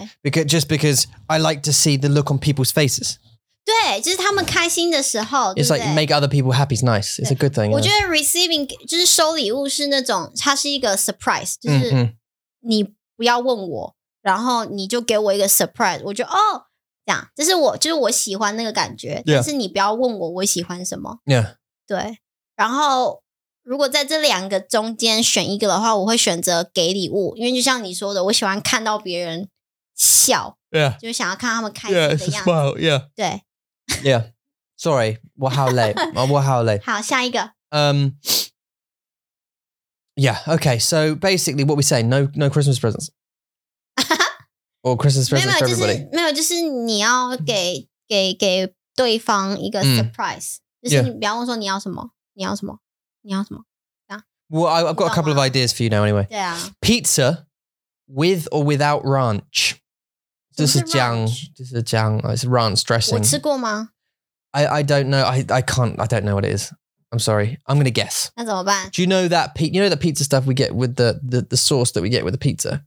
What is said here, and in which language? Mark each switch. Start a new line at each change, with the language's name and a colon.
English: Because, just because I like to see the look on people's faces.
Chinese: 对，就是他们开心的时候
English: It's like make other people happy is nice. It's a good thing.
Chinese: 我觉得 receiving, 就是收礼物是那种它是一个 surprise, 就是你不要问我然后你就给我一个 surprise, 我觉得哦这样这是我就是我喜欢那个感觉、
English: yeah.
Chinese: 但是你不要问我我喜欢什么。
English: Yeah.
Chinese: 对。然后如果在这两个中间选一个的话我会选择给礼物因为就像你说的我喜欢看到别人笑。
English: Yeah.
Chinese: 就想要看他们开心的样子。
English: Yeah, it's a smile, yeah.
Chinese: 对。
English: Yeah. Sorry,
Chinese: 我好累。我好累。好下一个。
English: Yeah, okay, so basically what we say, no Christmas presents. Or Christmas present for everybody.
Chinese: 没有，就是你要给对方一个 surprise. 就是你不要问说你要什么，你要什么，你要什么，这样。
English: Well, I've got a couple of ideas for you now. Anyway,
Chinese: 对啊
English: pizza with or without ranch.
Chinese: 这是姜，这是姜，
English: it's ranch dressing.
Chinese: 我吃过吗
English: ？I don't know. I can't. I don't know what it is. I'm sorry. I'm gonna guess.
Chinese: 那怎么办
English: ？Do you know that you know the pizza stuff we get with the sauce that we get with the pizza?